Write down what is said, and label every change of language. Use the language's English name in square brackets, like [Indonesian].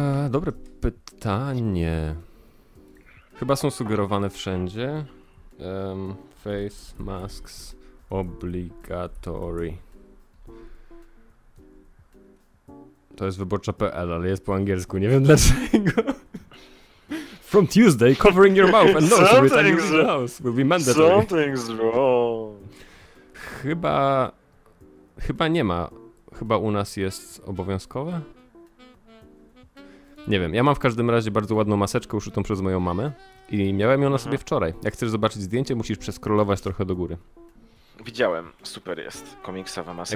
[Polish] Dobre pytanie. Chyba są sugerowane wszędzie. Face masks obligatory. To jest wyborcza.pl, ale jest po angielsku, nie wiem dlaczego. [English] From Tuesday, covering your mouth and nose every time you leave the house will be mandatory. Something's wrong. [Polish] Chyba nie ma. Chyba u nas jest obowiązkowe? Nie wiem. Ja mam w każdym razie bardzo ładną maseczkę uszytą przez moją mamę i miałem ją na sobie wczoraj. Jak chcesz zobaczyć zdjęcie, musisz przeskrolować trochę do góry. Widziałem. Super jest. Komiksowa maseczka.